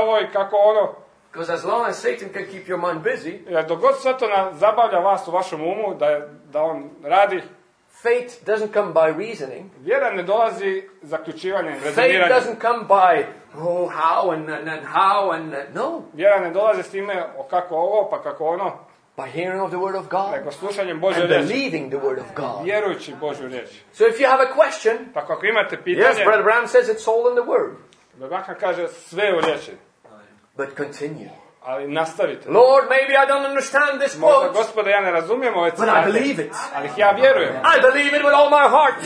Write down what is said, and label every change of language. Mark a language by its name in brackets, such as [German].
[Croatian] Ovo i kako ono. [English] Because as long as Satan can keep your mind busy. [Croatian] Jer dok god Satana zabavlja vas u vašem umu da on radi. [English] Fate doesn't come by reasoning. [Croatian] Vjera ne dolazi zaključivanjem, rezoniranjem. [English] Fate doesn't come by how and how and no. [Croatian] Vjera ne dolazi s time o kako ovo pa kako ono. [English] By hearing of the word of God. [Croatian] Nego slušanjem Božje riječi. [English] And believing the word of God. [Croatian] Vjerujući Božju riječ. [English] So if you have a question. [Croatian] Tako ako imate pitanje. [English] Yes, Brother Bram says it's all in the word. [Croatian] Brother kaže sve u riječi. [English] But continue. [Croatian] Ali nastavite. [English] Lord, maybe I don't understand this quote. [Croatian] Možda, Gospode, ja ne razumijem ove citate. [English] But I believe it. [Croatian] Ali ja vjerujem. [English] I believe it with all my heart.